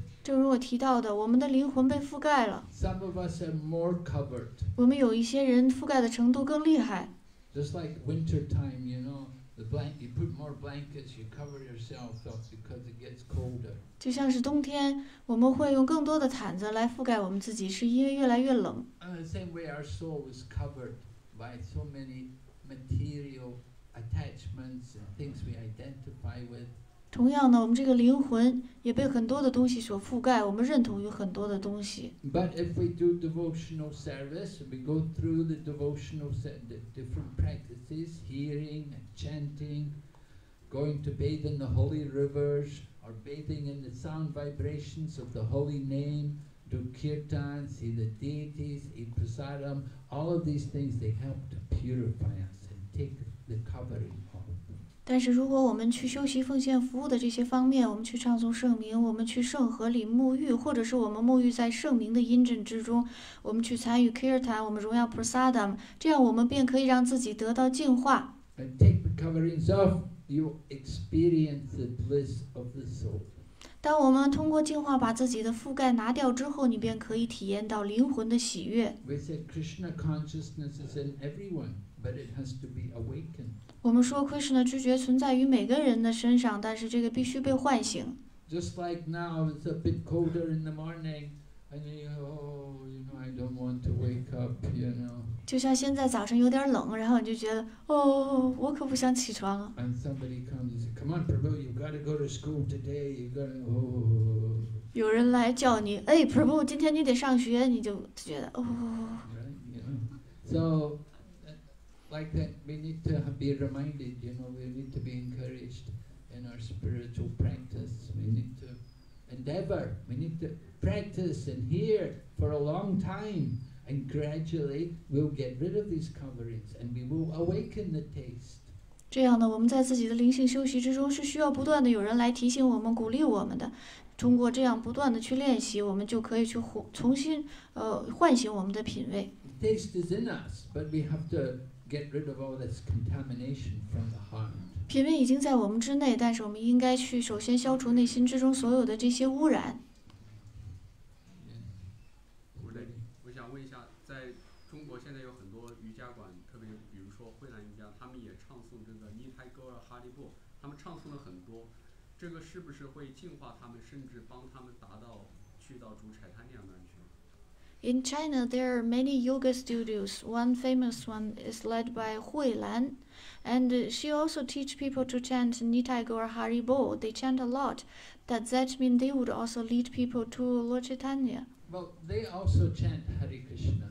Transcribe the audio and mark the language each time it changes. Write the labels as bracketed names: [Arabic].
[Chinese] 正如我提到的，我们的灵魂被覆盖了。 [English] Some of us are more covered. [Chinese] 我们有一些人覆盖的程度更厉害。 [English] Just like winter time, you know, the blanket, you put more blankets, you cover yourself up because it gets colder. [Chinese] 就像是冬天，我们会用更多的毯子来覆盖我们自己，是因为越来越冷。 [English] Same way, our soul is covered. By so many material attachments and things we identify with. [Chinese] 同样呢，我们这个灵魂也被很多的东西所覆盖，我们认同于很多的东西。 [English] But if we do devotional service, we go through the devotional set, the different practices, hearing and chanting, going to bathe in the holy rivers, or bathing in the sound vibrations of the holy name. Do kirtan, see the deities, eat prasadam, all of these things, they help to purify us and take the covering off. [Chinese] 但是如果我们去修习奉献服务的这些方面，我们去唱诵圣名，我们去圣河里沐浴，或者是我们沐浴在圣名的音阵之中，我们去参与 Kirtan， 我们荣耀 Prasadam， 这样我们便可以让自己得到净化。 [English] And take the coverings off, you experience the bliss of the soul. [Chinese] 当我们通过净化把自己的覆盖拿掉之后，你便可以体验到灵魂的喜悦。 [English] We said Krishna consciousness is in everyone, but it has to be awakened. [Chinese] 我们说 Krishna 知觉存在于每个人的身上，但是这个必须被唤醒。 [English] Just like now, it's a bit colder in the morning, and you know, I don't want to wake up, you know. [Chinese] 就像现在早上有点冷，然后你就觉得，哦，我可不想起床。 [English] And somebody comes and says, "Come on, Prabhu, you've got to go to school today. You've got to." [Chinese] 有人来叫你，哎 ，Prabhu， 今天你得上学，你就觉得，哦。 [English] Right, yeah. So. Like that, we need to be reminded, you know, we need to be encouraged in our spiritual practice. We need to endeavor, we need to practice and hear for a long time, and gradually we'll get rid of these coverings and we will awaken the taste. [Chinese] 这样呢，我们在自己的灵性修习之中是需要不断的有人来提醒我们、鼓励我们的。通过这样不断的去练习，我们就可以去重新唤醒我们的品味。 [English] Taste is in us, but we have to get rid of all this contamination from the heart. [Chinese] 品味已经在我们之内，但是我们应该去首先消除内心之中所有的这些污染。我想问一下，在中国现在有很多瑜伽馆，特别比如说慧兰瑜伽，他们也唱诵这个尼泰戈尔哈利布，他们唱诵了很多，这个是不是会净化他们，甚至帮他们达到去到主柴坦那样的？ [English] In China, there are many yoga studios. One famous one is led by Hui Lan, and she also teaches people to chant Nitaigor Haribo. They chant a lot. Does that mean they would also lead people to Lord Chaitanya? Well, they also chant Hare Krishna.